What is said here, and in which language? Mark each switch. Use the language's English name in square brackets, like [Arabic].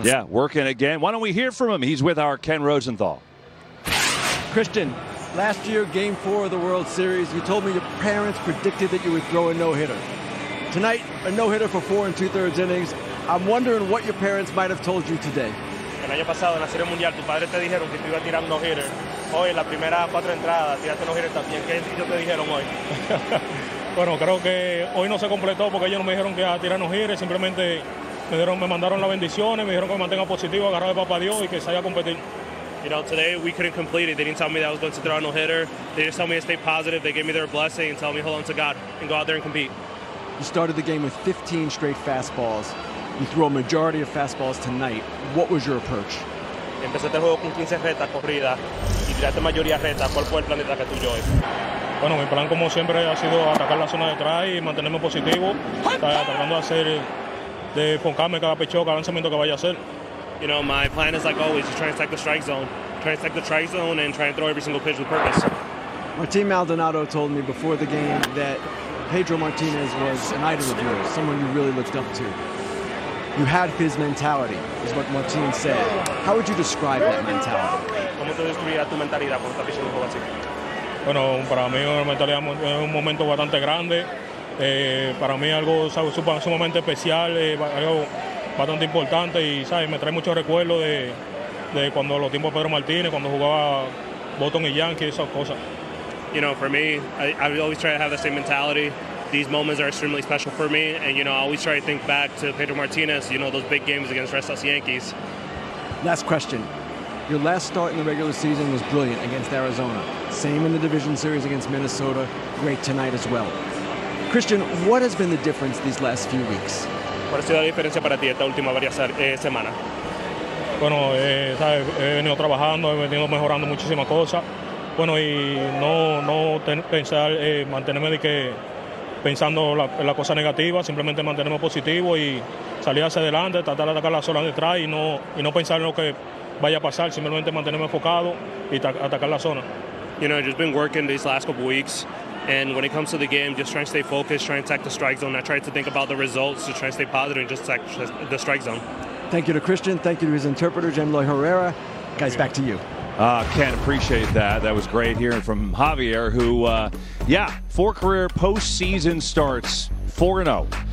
[English] Yeah, working again. Why don't we hear from him? He's with our Ken Rosenthal. Christian, last year, game 4 of the World Series, you told me your parents predicted that you would throw a no-hitter. Tonight, a no-hitter for 4 2/3 innings. I'm wondering what your parents might have told you today. [Spanish] El año pasado en la Serie Mundial tus padres te dijeron que te iba a tirar no hitter. Hoy en la primera 4 entradas tiraste no hitter también. ¿Qué ellos te dijeron hoy? Bueno, creo que hoy no se completó porque ellos no me dijeron que a tirarnos gires, simplemente me mandaron las bendiciones, me dijeron que me mantenga positivo, agarrado de papá Dios y que salga a competir. [English] You know, today we couldn't complete it. They didn't tell me that I was going to throw a no-hitter. They just told me to stay positive. They gave me their blessing and tell me hold on to God and go out there and compete. You started the game with 15 straight fastballs. You threw a majority of fastballs tonight. What was your approach? [Spanish] Empecé el juego con 15 retas corridas y tiraste mayoría retas. ¿Cuál fue el plan de ataque tuyo hoy? Bueno, mi plan como siempre ha sido atacar la zona de atrás y mantenerme positivo. Tratando de hacer, de enfocarme cada pecheo, cada lanzamiento que vaya a hacer. [English] You know, my plan is like always, just trying to attack the strike zone. Trying to attack the strike zone and trying to throw every single pitch with purpose. Martin Maldonado told me before the game that Pedro Martinez was an idol of yours, someone you really looked up to. You had his mentality, is what Martin said. How would you describe that mentality? [Spanish] ¿Cómo te describirías tu mentalidad cuando estás pichando un juego así? Bueno, para mí una mentalidad es un momento bastante grande. Para mí algo sumamente especial, algo bastante importante y sabes, me trae muchos recuerdos de cuando los tiempos de Pedro Martínez, cuando jugaba Boston y Yankee, esas cosas. [English] You know, for me, I always try to have the same mentality. These moments are extremely special for me, and you know, I always try to think back to Pedro Martinez. You know, those big games against Red Sox Yankees. Last question. Your last start in the regular season was brilliant against Arizona. Same in the division series against Minnesota. Great tonight as well. Christian, what has been the difference these last few weeks? [Spanish] ¿Cuál ha sido la diferencia para ti esta última varias semana? Bueno, he venido trabajando, he venido mejorando muchísimas cosas. Bueno, y no pensar, mantenerme de que pensando la cosa negativa, simplemente mantenerme positivo y salir hacia adelante, tratar de atacar la zona detrás y no pensar en lo que vaya a pasar, simplemente mantenerme enfocado y atacar la zona. [English] You know, I've just been working these last couple weeks, and when it comes to the game, just trying to stay focused, trying to attack the strike zone, not trying to think about the results, just trying to stay positive and just attack the strike zone. Thank you to Christian. Thank you to his interpreter, Jemeloy Herrera. Guys, back to you. Ken, appreciate that. That was great hearing from Javier, who, four career postseason starts, 4-0.